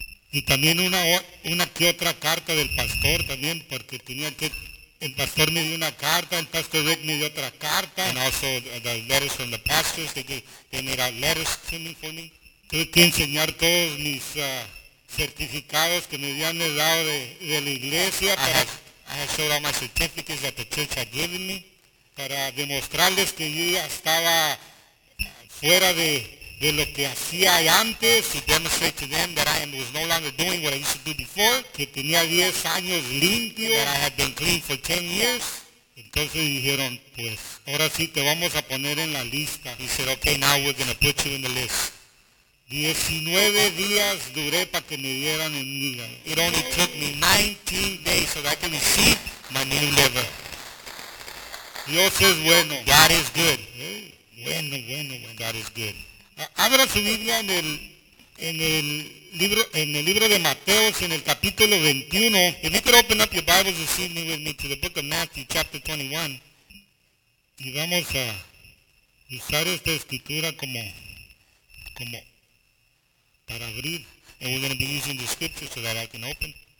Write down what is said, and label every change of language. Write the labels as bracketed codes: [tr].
[es] Y también una que otra carta del pastor también, porque tenía que el pastor me dio una carta, el pastor Rick me dio otra carta. [en] And also the letters from the pastors, they made out letters to me for me. [es] Tuve que enseñar todos mis certificados que me habían dado de la iglesia [en] I showed all my certificates that the church had given me [es] para demostrarles que yo ya estaba fuera de lo que hacía antes, [en] to demonstrate to them that I was no longer doing what I used to do before, [es] que tenía 10 años limpio, [en] that I had been clean for 10 years. [es] Entonces dijeron, pues, ahora sí te vamos a poner en la lista. [en] He said, okay, now we're going to put you in the list. [es] 19 días duré para que me dieran el hígado. [en] It only took me 19 days so that I can receive my new liver. [es] Dios es bueno. [en] God is good. [es] Bueno. [en] God is good. [es] Abra su Biblia en el libro de Mateo, en el capítulo 21. [en] If you could open up your Bibles this evening with me to the book of Matthew, chapter 21. [es] Y vamos a usar esta escritura como para abrir. [en] And we're going to be using the scripture so that I can open.